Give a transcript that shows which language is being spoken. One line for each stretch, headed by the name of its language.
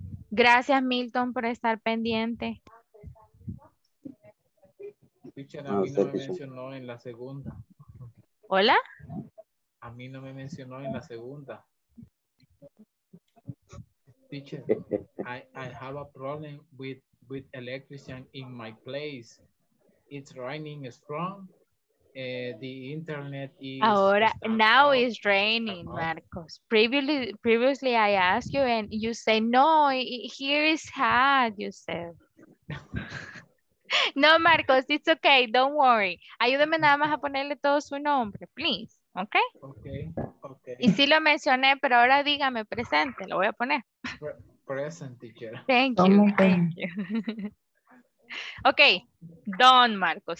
Spanish: Gracias, Milton, por estar pendiente. Teacher, a mí no me mencionó en la segunda. ¿Hola? A mí no me mencionó en la segunda.
English: Teacher, I have a problem with electrician in my place. It's raining strong. The internet is... Ahora, now it's raining, Marcos. Previously I asked you and you say, no, here is hot, you said. No, Marcos, it's okay, don't worry.
Spanish: Ayúdame nada más a ponerle todo su nombre, please, okay?
English: Okay, okay.
Spanish: Y sí lo mencioné, pero ahora dígame presente, lo voy a poner.
English: Present, teacher. Thank you, thank you. Ok, don Marcos.